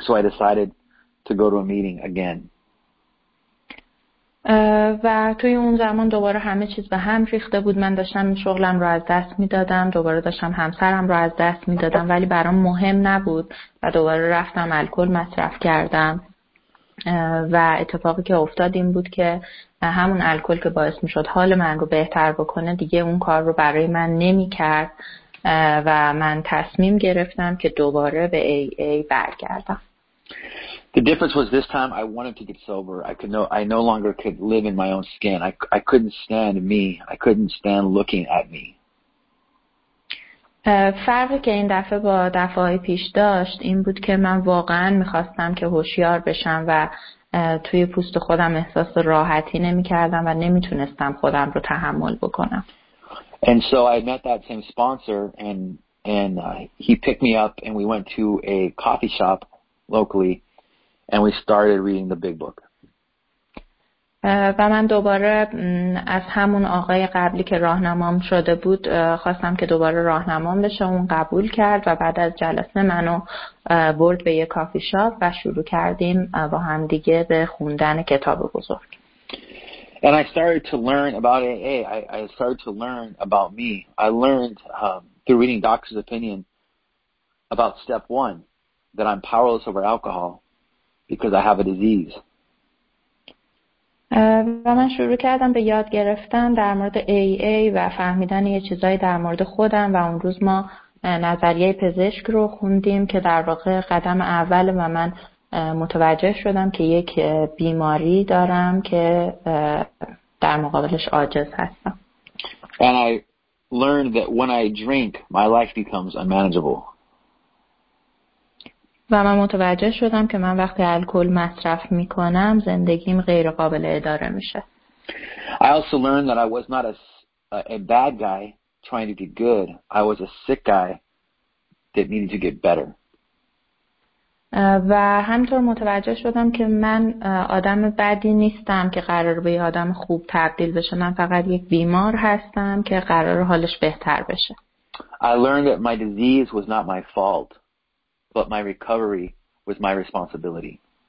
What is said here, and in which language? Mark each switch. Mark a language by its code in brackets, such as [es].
[en] So I decided to go to a meeting again. [fa] و توی اون زمان دوباره همه چیز به هم ریخته بود. من داشتم شغلم رو از دست میدادم، دوباره داشتم همسرم رو از دست میدادم، ولی برام مهم نبود و دوباره رفتم الکل مصرف کردم. و اتفاقی که افتاد این بود که همون الکل که باعث میشد حال من رو بهتر بکنه، دیگه اون کار رو برای من نمیکرد و من تصمیم گرفتم که دوباره به AA برگردم. [en] The difference was this time I wanted to get sober. I no longer could live in my own skin. I couldn't stand me. I couldn't stand looking at me. [fa] فرقی که این دفعه با دفعه‌های پیش داشت این بود که من واقعاً می‌خواستم که هوشیار بشم و توی پوست خودم احساس راحتی نمی‌کردم و نمی‌تونستم خودم رو تحمل بکنم. [en] And so I met that same sponsor and he picked me up and we went to a coffee shop locally. And we started reading the big book. [fa] و من دوباره از همون آقای قبلی که راهنمام شده بود خواستم که دوباره راهنمام بشه، اون قبول کرد و بعد از جلسه منو برد به یه کافی شاپ و شروع کردیم با هم دیگه به خوندن کتاب بزرگ. [en] And I started to learn about AA. I started to learn about me. I learned through reading doctors' opinion about step one, that I'm powerless over alcohol. Because I have a disease. [fa] و من شروع کردم به یاد گرفتن در مورد AA و فهمیدن یه چیزایی در مورد خودم و اون روز ما نظریه پزشک رو خوندیم که در واقع قدم اول و من متوجه شدم که یک بیماری دارم که در مقابلش عاجز هستم. [en] And I learned that when I drink, my life becomes unmanageable. [fa] و من متوجه شدم که من وقتی الکل مصرف میکنم زندگیم غیر قابل اداره میشه. [en] I also learned that I was not a bad guy trying to get good. I was a sick guy that needed to get better. [fa] و همینطور متوجه شدم که من آدم بدی نیستم که قرار به آدم خوب تبدیل بشه. من فقط یک بیمار هستم که قرار حالش بهتر بشه. [en] I learned that my disease was not my fault. But my recovery was my responsibility.